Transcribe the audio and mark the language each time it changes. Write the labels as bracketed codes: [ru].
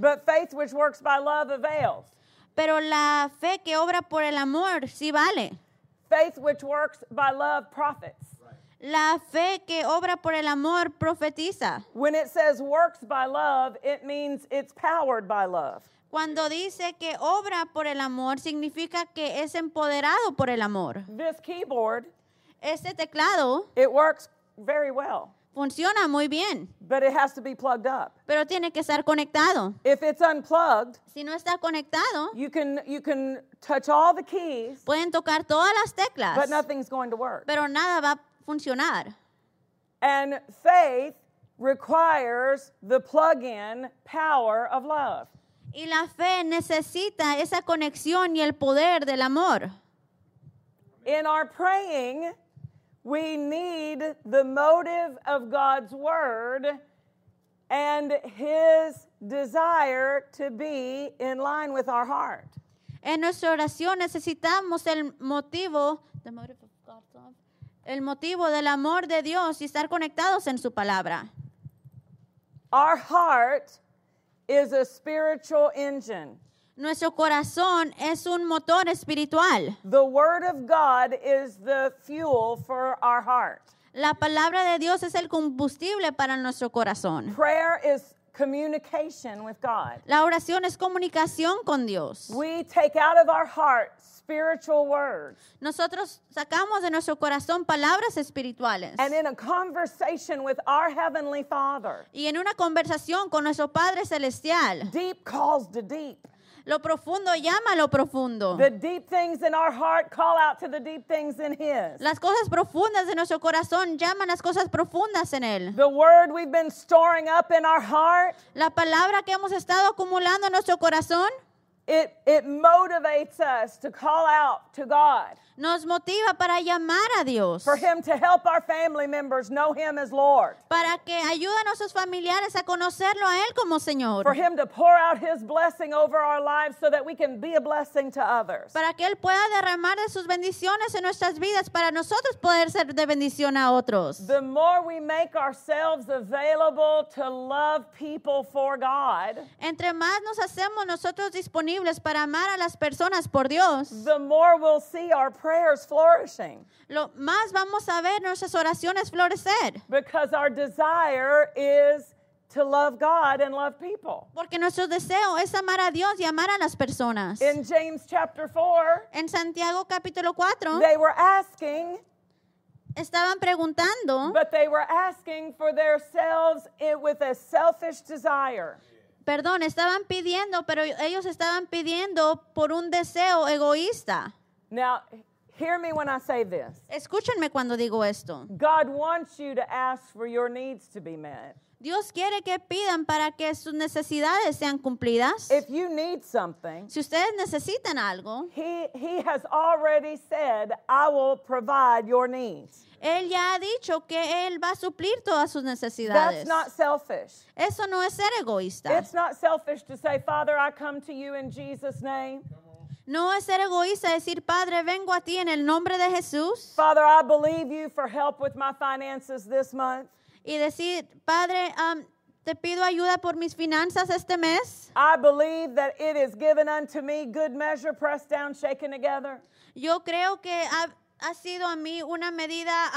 [en] But faith which works by love avails. [es] Pero la fe que obra por el amor sí vale. [en] Faith which works by love profits. [es] La fe que obra por el amor profetiza. [en] When it says works by love, it means it's powered by love. [es] Cuando dice que obra por el amor, significa que es empoderado por el amor. [en] This keyboard, [es] este teclado, [en] it works very well. [es] Funciona muy bien. [en] But it has to be plugged up. [es] Pero tiene que estar conectado. [en] If it's unplugged, [es] si no está conectado, [en] you can touch all the keys, [es] pueden tocar todas las teclas, [en] but nothing's going to work. [es] Pero nada va a funcionar. [en] And faith requires the plug-in power of love. [es] Y la fe necesita esa conexión y el poder del amor. [en] In our praying, we need the motive of God's word and his desire to be in line with our heart. [es] En nuestra oración necesitamos el motivo, [en] the motive of God's love. [es] El motivo del amor de Dios y estar conectados en su palabra. [en] Our heart is a spiritual engine. [es] Nuestro corazón es un motor espiritual. [en] The word of God is the fuel for our heart. [es] La palabra de Dios es el combustible para nuestro corazón. [en] Prayer is communication with God. [es] La oración es comunicación con Dios. [en] We take out of our heart spiritual words. [es] Nosotros sacamos de nuestro corazón palabras espirituales. [en] And in a conversation with our heavenly Father. [es] Y en una conversación con nuestro Padre celestial. [en] Deep calls to deep. [es] Lo profundo llama a lo profundo. [en] The deep things in our heart call out to the deep things in His. [es] Las cosas profundas de nuestro corazón llaman las cosas profundas en Él. [en] The word we've been storing up in our heart. [es] La palabra que hemos estado acumulando en nuestro corazón. [en] It motivates us to call out to God. [es] Nos motiva para llamar a Dios. [en] For Him to help our family members know Him as Lord. [es] Para que ayude a nuestros familiares a conocerlo a Él como Señor. [en] For Him to pour out His blessing over our lives so that we can be a blessing to others. [es] Para que Él pueda derramar de sus bendiciones en nuestras vidas para nosotros poder ser de bendición a otros. [en] The more we make ourselves available to love people for God. [es] Entre más nos hacemos nosotros disponibles para amar a las personas por Dios. [en] The more we'll see our prayers flourishing. [es] Lo más vamos a ver nuestras oraciones florecer. [en] Because our desire is to love God and love people. [es] Porque nuestro deseo es amar a Dios y amar a las personas. [en] In James chapter 4. [es] En Santiago capítulo 4. [en] They were asking. [es] Estaban preguntando. [en] But they were asking for themselves with a selfish desire. [es] Perdón, estaban pidiendo, pero ellos estaban pidiendo por un deseo egoísta. [en] Now, hear me when I say this. [es] Escúchenme cuando digo esto. [en] God wants you to ask for your needs to be met. [es] Dios quiere que pidan para que sus necesidades sean cumplidas. [en] If you need something, [es] si ustedes necesitan algo, [en] He has already said, I will provide your needs. [es] Él ya ha dicho que Él va a suplir todas sus necesidades. [en] That's not selfish. [es] Eso no es ser egoísta. [en] It's not selfish to say, Father, I come to you in Jesus' name. [es] No es ser egoísta decir, Padre, vengo a ti en el nombre de Jesús. [en] Father, I believe you for help with my finances this month. [es] Y decir, Padre, te pido ayuda por mis finanzas este mes. [en] I believe that it is given unto me good measure, pressed down, shaken together. [es] Yo creo que ha sido a mí una medida